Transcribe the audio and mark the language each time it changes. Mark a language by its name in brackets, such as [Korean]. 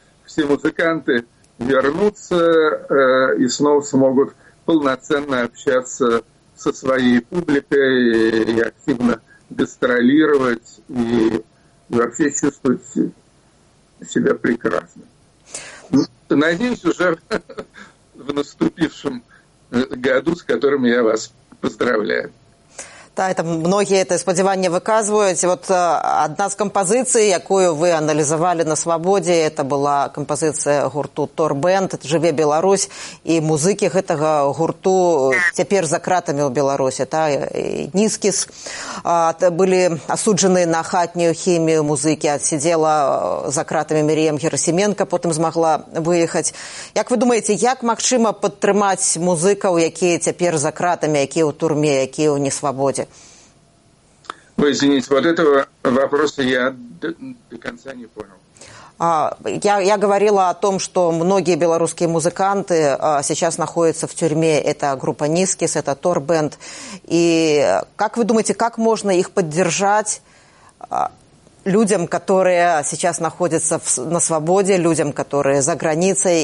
[Russian] Все музыканты вернутся и снова смогут полноценно общаться со своей публикой и активно гастролировать и вообще чувствовать себя прекрасно. Надеюсь, уже в наступившем году, с которым я вас поздравляю. Да, это многие это [Belarusian] спадзяванне выказваюць. Вот одна з кампазіцый, якую вы аналізавалі на свабодзе, это была кампазіцыя гурту Тор Бэнд «Жыве Беларусь», і музыкі гэтага гурту цяпер за кратамі ў Беларусі, та Ніскіс былі асуджаны на хатнюю хімію, музыкі адсідзела за кратамі Мірыям Герасіменка, потым змагла выехаць. Як вы думаеце, як магчыма падтрымаць музыкаў, якія цяпер за кратамі, якія ў турме, якія ў несвабодзе? [Russian] Ой, извините, вот этого вопроса я до конца не понял. Я говорила о том, что многие белорусские музыканты сейчас находятся в тюрьме. Это группа Нискис, это Тор Бэнд. И как вы думаете, как можно их поддержать людям, которые сейчас находятся на свободе, людям, которые за границей?